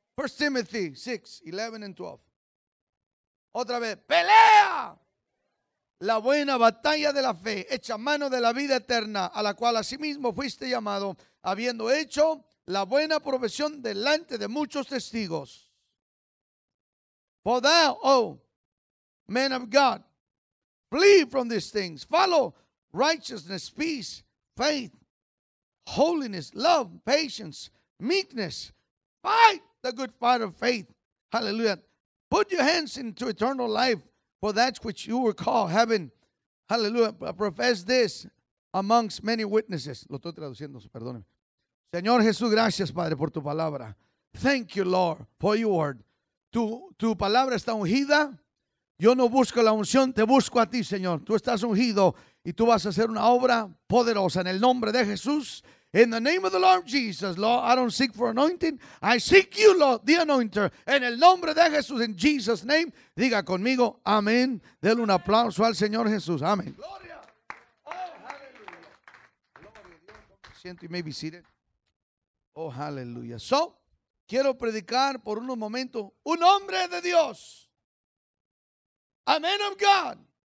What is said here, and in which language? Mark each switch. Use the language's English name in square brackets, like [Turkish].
[English] 1 Timothy 6, 11 and 12. [Spanish] Otra vez, pelea la buena batalla de la fe, hecha mano de la vida eterna, a la cual asimismo fuiste llamado, habiendo hecho la buena profesión delante de muchos testigos. [English] For thou, oh, man of God, flee from these things. Follow righteousness, peace, faith, holiness, love, patience, meekness. Fight the good fight of faith. Hallelujah. Put your hands into eternal life for that which you will call heaven. Hallelujah. Profess this amongst many witnesses. [Spanish] Lo estoy traduciendo, perdónenme. Señor Jesús, gracias, Padre, por tu palabra. [English] Thank you, Lord, for your word. [Spanish] Tu palabra está ungida. Yo no busco la unción, te busco a ti, Señor. Tú estás ungido y tú vas a hacer una obra poderosa en el nombre de Jesús. [English] In the name of the Lord Jesus, Lord, I don't seek for anointing. I seek you, Lord, the anointer. [Spanish] En el nombre de Jesús, [English] in Jesus' name, [Spanish] diga conmigo, amén. Denle un aplauso al Señor Jesús. Amén. Gloria. Oh, hallelujah. Gloria a Dios. Siento y me visite. Oh, hallelujah. So, quiero predicar por unos momentos un hombre de Dios. [English] A man of God.